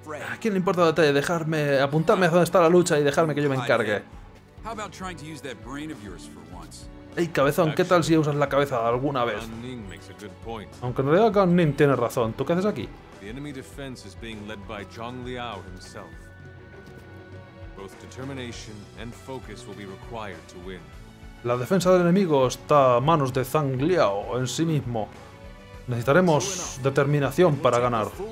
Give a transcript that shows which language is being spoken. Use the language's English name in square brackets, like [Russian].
[Spanish] ¿A quién le importa el detalle? Dejarme, apuntarme a donde está la lucha y dejarme que yo me encargue. Hey, cabezón, ¿qué tal si usas la cabeza alguna vez? Aunque en realidad Gan-Nin tiene razón, ¿tú qué haces aquí? [English] The enemy defense is being led by Zhang Liao himself. Both determination and focus will be required to win. [Spanish] La defensa del enemigo está a manos de Zhang Liao en sí mismo. Necesitaremos determinación para ganar.